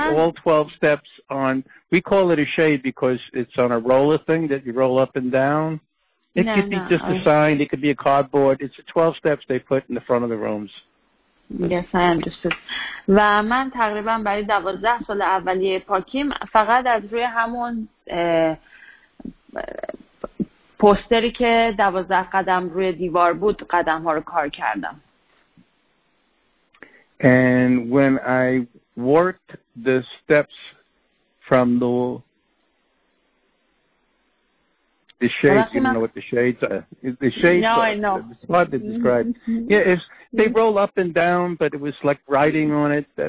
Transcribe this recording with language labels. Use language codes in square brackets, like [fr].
[en] It's like a sign that they write all 12 steps on. We call it a shade because it's on a roller thing that you roll up and down. It could be just a sign. It could be a cardboard. It's 12 steps they put in the front of the rooms. Yes, I understood. [fa] و من تقریبا برای 12 سال اولیه پاکیم فقط از روی همون پوستری که 12 قدم روی دیوار بود قدم ها رو کار کردم. [en] And when I worked the steps from the shades, you know what the shades are? The shades are, I know. It's hard to describe. Yeah, they roll up and down, but it was like writing on it.